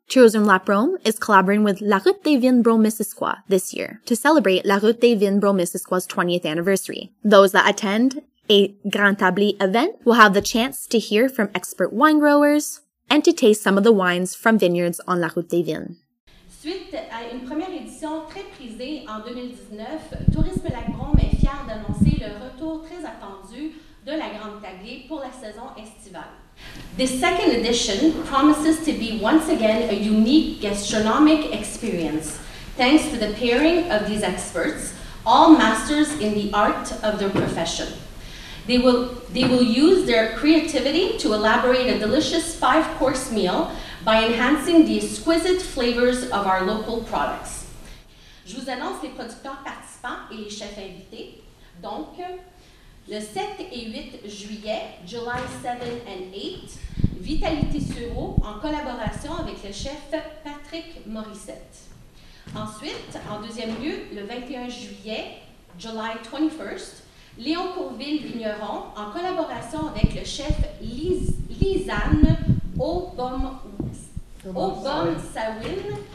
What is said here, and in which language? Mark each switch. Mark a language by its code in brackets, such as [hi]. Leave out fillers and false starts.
[en] Tourism La Brome is collaborating with La Route des Vins Brome-Missisquoi this year to celebrate La Route des Vins Brome-Missisquoi's 20th anniversary. Those that attend a Grand Table event will have the chance to hear from expert wine growers and to taste some of the wines from vineyards on La Route des Vins. [fr] Suite à une première édition très prisée en 2019, Tourisme La Brome est fier d'annoncer le retour très attendu de la Grande Table pour la saison estivale. [en] The second edition promises to be once again a unique gastronomic experience, thanks to the pairing of these experts, all masters in the art of their profession. They will use their creativity to elaborate a delicious 5-course meal by enhancing the exquisite flavors of our local products. [fr] Je vous annonce les producteurs participants et les chefs invités. Donc, le 7 et 8 juillet, [en] July 7 and 8, [fr] Vitalité Sureau en collaboration avec le chef Patrick Morissette. Ensuite, en deuxième lieu, le 21 juillet, [en] July 21st, [fr] Léon Courville Vigneron en collaboration avec le chef Lisanne Obomsawin.